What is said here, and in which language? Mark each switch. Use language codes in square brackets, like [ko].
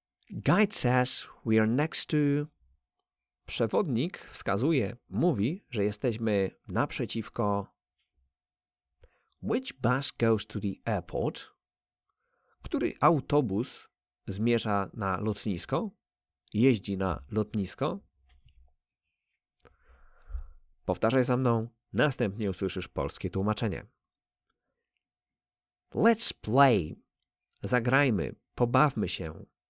[en] Guide says we are next to... [pl] Przewodnik wskazuje, mówi, że jesteśmy naprzeciwko... [en] Which bus goes to the airport? [pl] Który autobus zmierza na lotnisko? Jeździ na lotnisko? Powtarzaj za mną, następnie usłyszysz polskie tłumaczenie. [en] Let's play. [pl] Zagrajmy, pobawmy się.